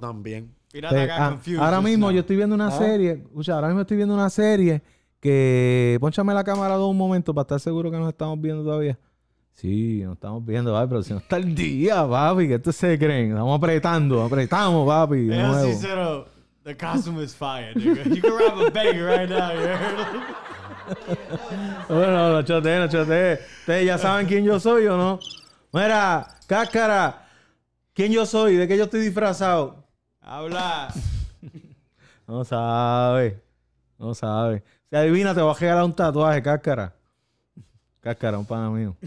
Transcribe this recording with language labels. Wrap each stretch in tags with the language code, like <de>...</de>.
<es>También. Ahora mismo yo estoy viendo una serie. Escucha, ahora mismo estoy viendo una serie que... Pónchame la cámara un momento para estar seguro que nos estamos viendo todavía. Sí, nos estamos viendo, ¿vale? Pero si no está el día, papi, que ustedes se creen. Estamos apretamos, papi.</es> <en>Yeah,</en> <es>no</es> <en>sincero, the costume is fire, nigga. You can rob a bank right now, you heard?</en> <es>Bueno, no chotee. Ustedes ya saben quién yo soy, ¿o no? Mira, cáscara, ¿quién yo soy? ¿De qué yo estoy disfrazado? Habla. No sabe. Si adivina, te voy a regalar un tatuaje, cáscara. Cáscara, un pana mío.</es>